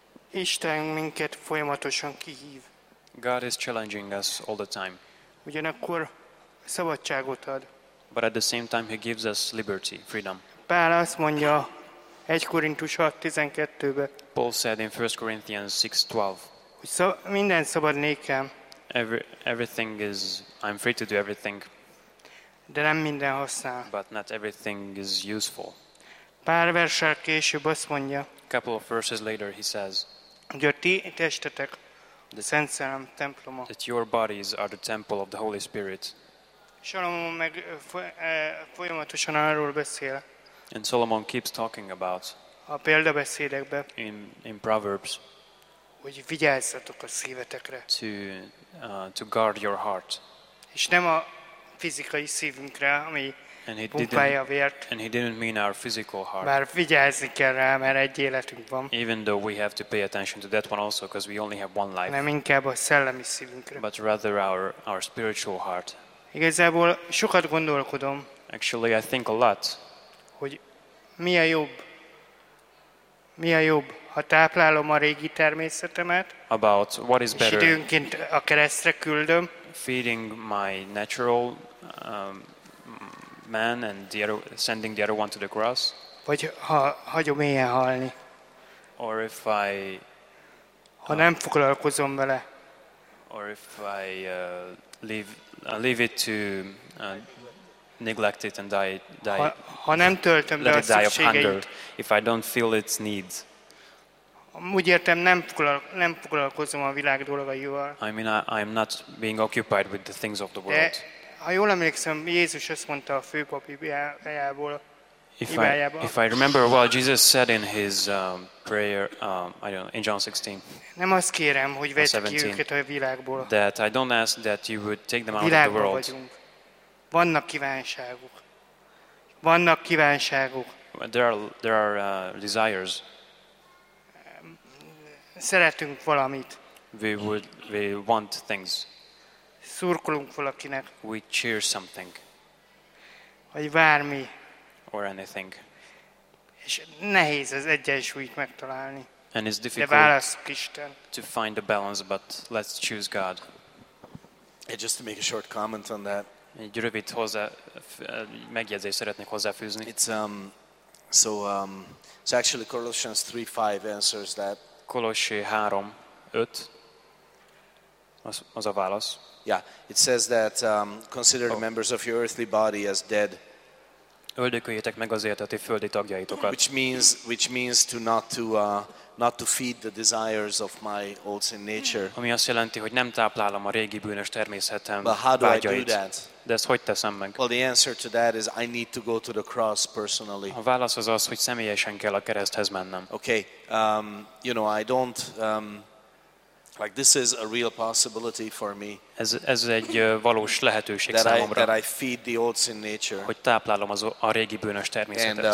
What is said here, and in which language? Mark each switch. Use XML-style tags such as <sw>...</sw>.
<hu>Isten minket folyamatosan kihív.</hu> <en>God is challenging us all the time.</en> <hu>Ugyanakkor szabadságot ad.</hu> <en>But at the same time he gives us liberty, freedom.</en> <hu>Pál azt mondja 1 Korintus 6:12-be.</hu> <en>Paul said in 1 Corinthians 6:12.</en> <hu>Hogy minden szabad nékem.</hu> <en>Everything is I'm free to do everything.</en> <hu>De nem minden használ.</hu> <en>But not everything is useful.</en> <hu>Pár verssel később azt mondja.</hu> <en>Couple of verses later he says.</en> <hu>Hogy a ti testetek a Szent Szellem temploma.</hu> <en>That your bodies are the temple of the Holy Spirit.</en> <hu>Salomon meg folyamatosan arról beszél.</hu> <en>And Solomon keeps talking about.</en> <hu>A példabeszédekbe.</hu> <en>In Proverbs.</en> <hu>Hogy vigyázzatok a szívetekre.</hu> <en>To guard your heart.</en> <hu>És nem a fizikai szívünkre, ami pumpálja a vért.</hu> <en>And he didn't mean our physical heart.</en> <hu>Bár vigyázni kell rá, mert egy életünk van.</hu> <en>Even though we have to pay attention to that one also, because we only have one life.</en> <hu>Nem inkább a szellemi szívünkre.</hu> <en>But rather our spiritual heart.</en> <hu>Igazából sokat gondolkodom.</hu> <en>Actually, I think a lot.</en> <hu>Hogy mi a jobb? Mi a jobb, ha táplálom a régi természetemet?</hu> <en>About what is better.</en> <hu>És időnként a keresztre küldöm.</hu> <en>Feeding my natural man and the other, sending the other one to the cross.</en> <hu>Vagy ha hagyom éjjel halni.</hu> <en>Or if I</en> <hu>ha nem foglalkozom vele.</hu> <en>Or if I leave it to neglect it and die.</en> <hu>Ha nem töltöm be a szükségeit.</hu> <en>If I don't feel its needs.</en> <hu>Úgy értem, nem foglalkozom a világ dolgaival.</hu> <en>I mean, I'm not being occupied with the things of the world.</en> <hu>De, ha jól emlékszem, Jézus azt mondta a főpapi bibliájából.</hu> <en>If I remember what Jesus said in his prayer, I don't know, in John 16.</en> <hu>Nem azt kérem, hogy vedd ki őket a világból.</hu> <en>That I don't ask that you would take them out of the world.</en> <hu>Vannak kívánságuk. Vannak kívánságuk.</hu> <en>There are desires.</en> <hu>Szeretünk valamit.</hu> <en>We want things.</en> <hu>Szurkolunk valakinek.</hu> <en>We cheer something.</en> <hu>Vagy bármi.</hu> <en>Or anything.</en> <hu>És nehéz az egyensúlyt megtalálni.</hu> <en>And it's difficult.</en> <hu>De válasszuk Isten.</hu> <en>To find a balance, but let's choose God. And just to make a short comment on that.</en> <hu>Egy rövid megjegyzést szeretnék hozzáfűzni.</hu> <en>It's so actually Colossians 3:5 answers that.</en> <hu>Kolossé 3:5. Az a válasz.</hu> <en>Yeah, it says that consider the members of your earthly body as dead.</en> <hu>Öldököljétek meg az életeti földi tagjaitokat.</hu> <en>Which means to not to feed the desires of my old sin nature.</en> <hu>Ami azt jelenti, hogy nem táplálom a régi bűnös természetem vágyait. De ezt hogy teszem meg?</hu> <en>Well, the answer to that is I need to go to the cross personally.</en> <hu>A válasz az az, hogy személyesen kell a kereszthez mennem.</hu> <en>Okay, you know, I don't like this is a real possibility for me.</en> <hu>Ez egy valós lehetőség számomra.</hu> <en>That I feed the old sin nature.</en> <hu>Hogy táplálom az a régi bűnös természetet.</hu>